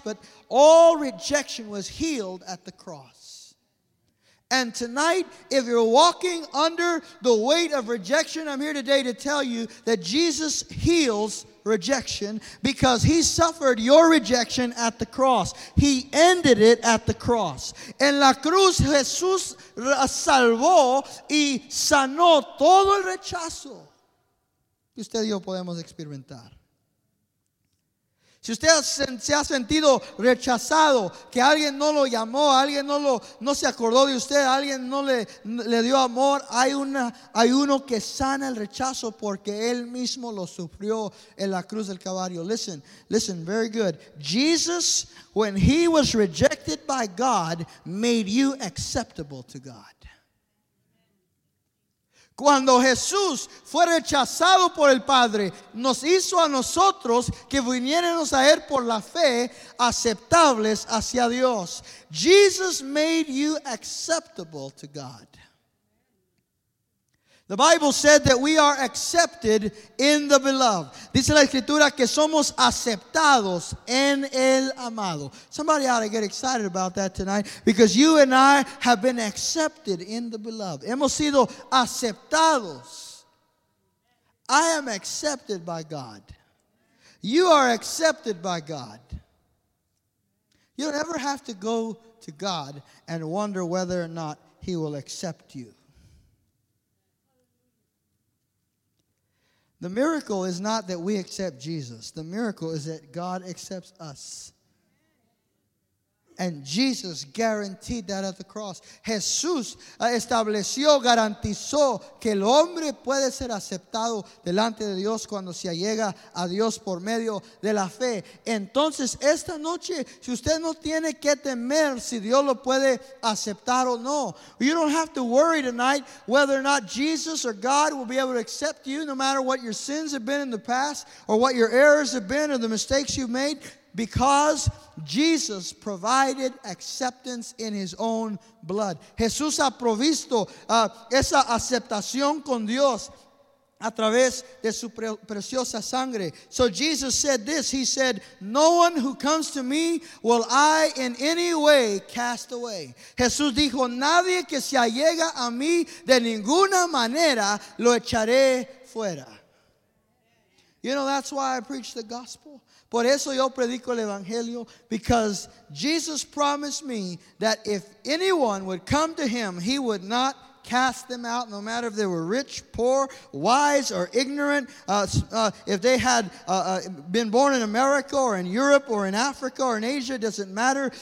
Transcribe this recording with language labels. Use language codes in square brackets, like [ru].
[en] But all rejection was healed at the cross. And tonight, if you're walking under the weight of rejection, I'm here today to tell you that Jesus heals rejection, because he suffered your rejection at the cross. He ended it at the cross. [es] En la cruz Jesús salvó y sanó todo el rechazo que usted y yo podemos experimentar. Si usted se ha sentido rechazado, que alguien no lo llamó, alguien no se acordó de usted, alguien no le dio amor, hay uno que sana el rechazo porque él mismo lo sufrió en la cruz del Calvario. [en] Listen, very good. Jesus, when he was rejected by God, made you acceptable to God. [es] Cuando Jesús fue rechazado por el Padre, nos hizo a nosotros que viniéramos a Él por la fe aceptables hacia Dios. [en] Jesus made you acceptable to God. The Bible said that we are accepted in the beloved. [es] Dice la Escritura que somos aceptados en el amado. [en] Somebody ought to get excited about that tonight, because you and I have been accepted in the beloved. [es] Hemos sido aceptados. [en] I am accepted by God. You are accepted by God. You don't ever have to go to God and wonder whether or not he will accept you. The miracle is not that we accept Jesus. The miracle is that God accepts us. And Jesus guaranteed that at the cross. [es] Jesús estableció, garantizó que el hombre puede ser aceptado delante de Dios cuando se allega a Dios por medio de la fe. Entonces, esta noche, si usted no tiene que temer si Dios lo puede aceptar o no. [en] You don't have to worry tonight whether or not Jesus or God will be able to accept you, no matter what your sins have been in the past, or what your errors have been, or the mistakes you've made. Because Jesus provided acceptance in his own blood. [es] Jesús ha provisto esa aceptación con Dios a través de su preciosa sangre. [en] So Jesus said this. He said, no one who comes to me will I in any way cast away. [es] Jesús dijo, nadie que se allega a mí de ninguna manera lo echaré fuera. [en] You know, that's why I preach the gospel. [es] Por eso yo predico el evangelio, [en] because Jesus promised me that if anyone would come to him, he would not cast them out, no matter if they were rich, poor, wise, or ignorant, if they had been born in America or in Europe or in Africa or in Asia, doesn't matter.